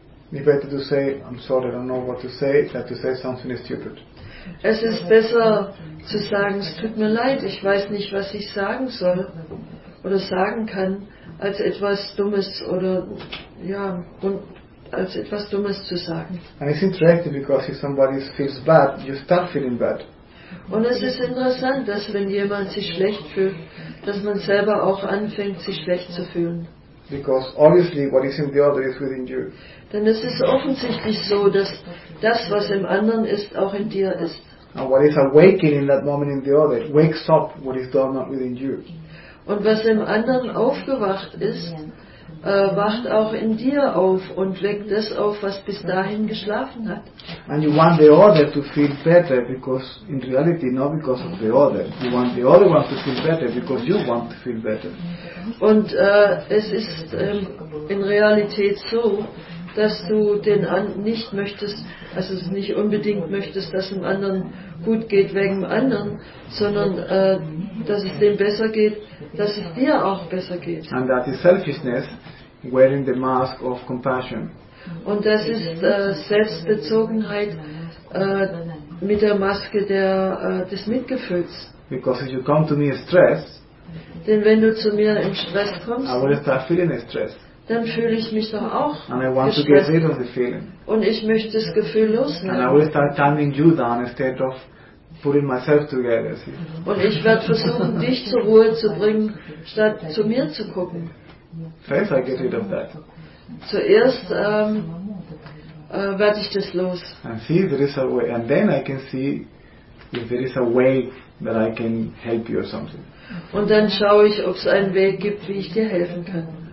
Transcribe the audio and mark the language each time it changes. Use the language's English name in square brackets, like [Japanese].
[English] It's better to say, I'm sorry, I don't know what to say, than to say something is stupid. [German] Es ist besser zu sagen, es tut mir leid, ich weiß nicht, was ich sagen soll oder sagen kann, als etwas Dummes oder ja und als etwas Dummes zu sagen. [English] And it's interesting because if somebody feels bad, you start feeling bad. [German] Und es ist interessant, dass wenn jemand sich schlecht fühlt, dass man selber auch anfängt, sich schlecht zu fühlen. [English] Because obviously what is in the other is within you. [German] Denn es ist offensichtlich so, dass das, was im anderen ist, auch in dir ist. [English] And what is awakening in that moment in the other wakes up what is dormant within you. [German] Und was im anderen aufgewacht ist, wacht auch in dir auf und weckt das auf, was bis dahin geschlafen hat. [English] And you want the other to feel better because in reality not because of the other. You want the other one to feel better because you want to feel better. [German] Und es ist in Realität so, dass du den anderen nicht möchtest, also nicht unbedingt möchtest, dass dem anderen gut geht wegen dem anderen, sondern dass es dem besser geht, dass es dir auch besser geht. [English] And that is selfishness, wearing the mask of compassion. [German] Und das ist Selbstbezogenheit mit der Maske der, des Mitgefühls. [English] Because if you come to me in stress, [German] denn wenn du zu mir im Stress kommst, [English] I will start feeling stress. [German] Dann fühle ich mich doch auch [English] and I want gestresst. To get rid of the feeling. [German] Und ich möchte das Gefühl loslassen. [English] And I will start calming you down instead of putting myself together. See. [German] Und ich werde versuchen, dich zur Ruhe zu bringen, statt zu mir zu gucken. [English] First I get rid of that. [German] Zuerst werde ich das los. [English] And see, there is a way, and then I can see if there is a way that I can help you or something. [German] Und dann schaue ich, ob es einen Weg gibt, wie ich dir helfen kann.